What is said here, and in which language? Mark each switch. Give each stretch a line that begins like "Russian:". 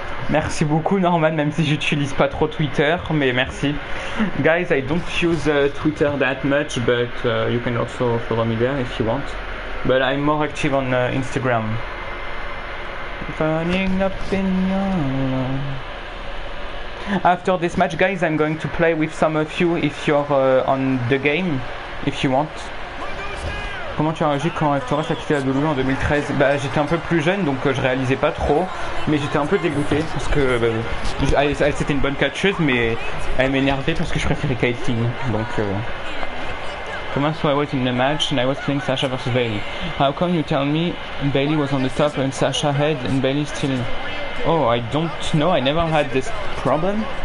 French: Merci beaucoup Norman, même si j'utilise pas trop Twitter, mais merci.
English: Guys, I don't use Twitter that much, but you can also follow me there if you want. But I'm more active on Instagram. Burning up in your... After this match, guys, I'm going to play with some of you if you're on the game, if you want.
French: Comment tu as réagi quand Torres a quitté la WWE en 2013? Bah j'étais un peu plus jeune donc je réalisais pas trop, mais j'étais un peu dégoûté parce que elle c'était une bonne catcheuse mais elle m'énervait parce que je préférais Kate King. Donc comment
English: so I was in the match and I was playing Sasha vs Bailey. How come you tell me Bailey was on the top and Sasha head and Bailey still? Oh I don't know, I never had this problem.